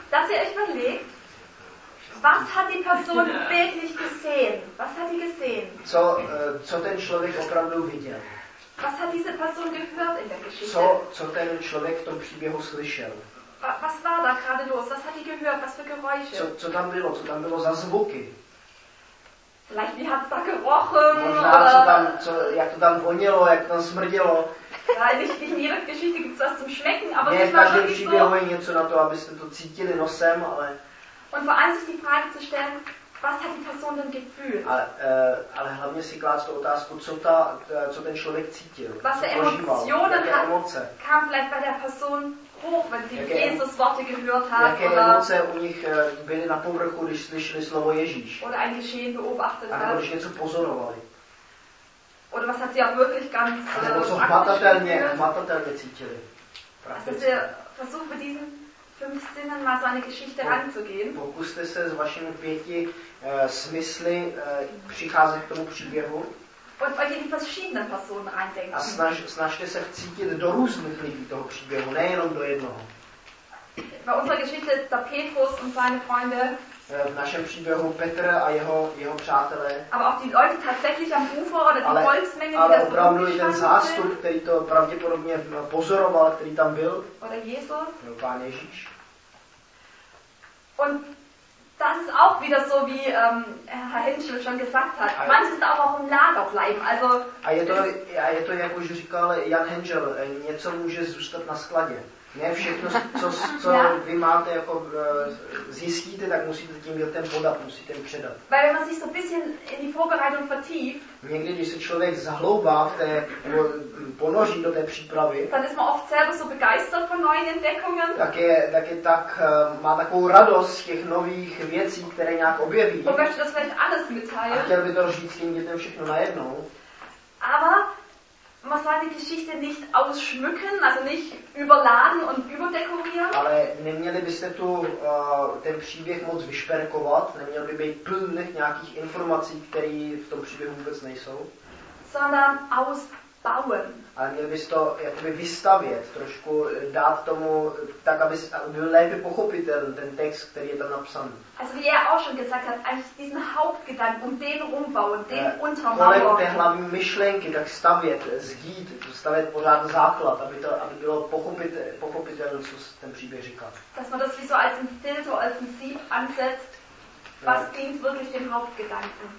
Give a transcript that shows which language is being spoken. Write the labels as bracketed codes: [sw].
[de] Dass ihr euch überlegt, was hat die Person wirklich gesehen? Was hat die gesehen? [cs] Co ten člověk opravdu viděl? [de] Was hat diese Person gehört in der Geschichte? [cs] Co ten člověk v tom příběhu slyšel? [de] Was war da gerade los? Was hat die gehört? Was für Geräusche? [cs] Co tam bylo? Co tam bylo za zvuky? [de] Vielleicht wie hat's da gerochen? [cs] Možná, [de] oder? [cs] Jak to tam vonělo, jak to tam smrdělo? [de] Nicht in jeder Geschichte gibt's was zum Schmecken, aber nicht mal wirklich so. [cs] Ne, každý příběh je něco na to, abyste to cítili nosem, ale. [de] Und vor allem sich die Frage zu stellen, was hat die Person denn gefühlt? [cs] Ale hlavně si klást otázku, co ten člověk cítil. [de] Was für Emotionen kam vielleicht bei der Person hoch, wenn sie Jesus Worte gehört hat? [cs] Jaké emoce u nich byly na povrchu, když slyšeli slovo Ježíš? [de] Oder ein Geschehen beobachtet hat? [cs] Nebo když něco pozorovali? [de] Oder was hat sie auch wirklich ganz [cs] matatelnie cítili. [de] Also wir versuchen mit diesen fünf Sinnen mal so eine Geschichte ranzugehen. [cs] Pokuste se s vašimi pěti smysly přicházet k tomu příběhu. [de] Und euch in die verschiedenen Personen reindenken. [cs] A snažte se vcítit do různých lidí toho příběhu, nejenom do jednoho. [de] Bei unserer Geschichte ist da Petrus und seine Freunde. [cs] V našem příběhu Petr a jeho přátelé. [de] Aber auch die Leute tatsächlich am Ufer oder die Volksmenge, die das [cs] opravdu i ten zástup, který to pravděpodobně pozoroval, který tam byl. [de] Oder Jesus. [cs] Nebo Pán Ježíš. [de] Und das ist auch wieder so, wie Herr Henschel schon gesagt hat. Manches darf auch im Lager bleiben. Also, [cs] a je to, jak už říkal Jan Henschel, něco může zůstat na skladě. Ne všechno, co vy máte, jako zjistíte, tak musíte tím dětem podat, musíte jim předat. [de] Weil man sich so ein bisschen in die Vorbereitung vertieft. [cs] Někdy, když se člověk zahloubá v té, ponoří do té přípravy, [de] dann ist man oft selber so begeistert von neuen Entdeckungen. [cs] Tak má takovou radost z těch nových věcí, které nějak objeví. [de] Und möchte das vielleicht alles mitteilen. [cs] A chtěl by to říct tím dětem všechno najednou. [de] Aber man soll die Geschichte nicht ausschmücken, also nicht überladen und überdekorieren. [cs] Ale neměli byste tu ten příběh moc vyšperkovat, neměl by být plný nějakých informací, které v tom příběhu vůbec nejsou. [de] Sondern ausbauen. [cs] Ale měl bys to jakoby vystavět, trošku dát tomu, tak aby byl lépe pochopitelný ten text, který je tam napsaný. [de] Also wie auch schon gesagt hat, eigentlich diesen Hauptgedanken, den umbauen, den untermauern. [cs] Kolem té hlavní myšlenky, tak stavět, zhýt, stavět pořád základ, aby bylo pochopitelné, co ten příběh říká. [de] Dass man das wie so als ein Filter, als ein Sieb ansetzt. Was dient wirklich dem Hauptgedanken?